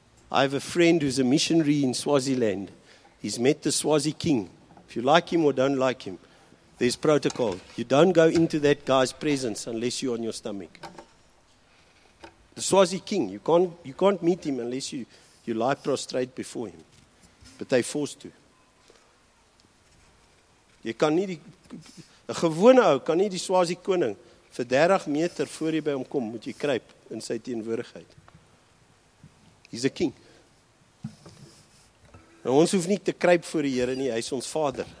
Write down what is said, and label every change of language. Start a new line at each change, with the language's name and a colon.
English: I have a friend who's a missionary in Swaziland. He's met the Swazi king. If you like him or don't like him, there's protocol. You don't go into that guy's presence unless you're on your stomach. The Swazi king, you can't meet him unless you lie prostrate before him. But they're forced to.
Afrikaans: Jy kan nie die, 'n gewone ou kan nie die Swazi koning vir 30 meter voor jy by hom kom, moet jy kruip in sy teenwoordigheid.
English: He's a king.
Afrikaans: Nou, ons hoef nie te kruip voor die Here nie, hy is ons vader.